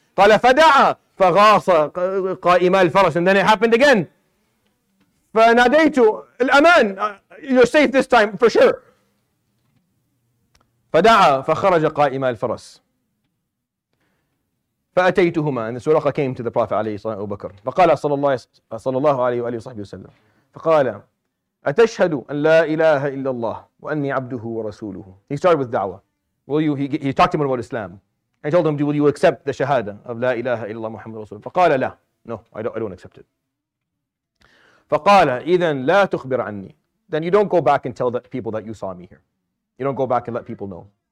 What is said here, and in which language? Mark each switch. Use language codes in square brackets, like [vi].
[ar] قال فدعا فغاص قائما الفرس, [en] and then it happened again. [ar] فناديت الأمان, [en] you're safe this time for sure. [ar] فدعا فخرج قائما الفرس. فأتيتهما, [en] and the Suraqa came to the Prophet [ar] عليه الصلاة والسلام. فقال صلى الله عليه وآله وصحبه وسلم, فقال أتشهد أن لا إله إلا الله وأني عبده ورسوله. [en] He started with دعوة. He talked to him about Islam. He told him, will you accept the shahada of [ar] لا إله إلا الله محمد رسول؟ فقال لا, [en] no, I don't accept it. [ar] فقال إذن لا تخبر عني. [en] Then you don't go back and tell the people that you saw me here. You don't go back and let people know.